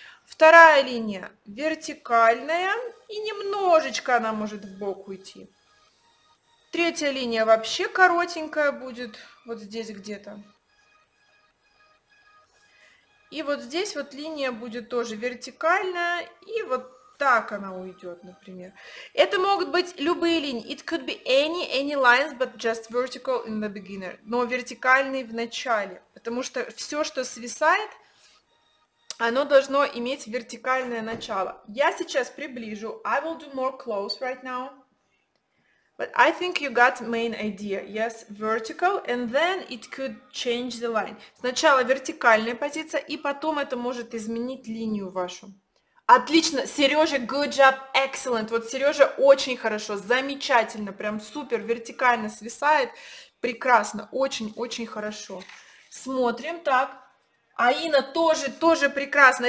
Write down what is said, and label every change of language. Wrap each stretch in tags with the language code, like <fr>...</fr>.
<ru>Вторая линия вертикальная, и немножечко она может в бок уйти. Третья линия вообще коротенькая будет, вот здесь где-то. И вот здесь вот линия будет тоже вертикальная, и вот так она уйдет, например. Это могут быть любые линии.</ru> <en>It could be any lines, but just vertical in the beginner.</en> <ru>Но вертикальный в начале, потому что все, что свисает, оно должно иметь вертикальное начало. Я сейчас приближу.</ru> <en>I will do more close right now. But I think you got main idea. Yes, vertical, and then it could change the line.</en> <ru>Сначала вертикальная позиция, и потом это может изменить линию вашу. Отлично, Сережа,</ru> <en>good job, excellent.</en> <ru>Вот Сережа очень хорошо, замечательно, прям супер, вертикально свисает, прекрасно, очень-очень хорошо. Смотрим, так. Аина тоже прекрасно.</ru>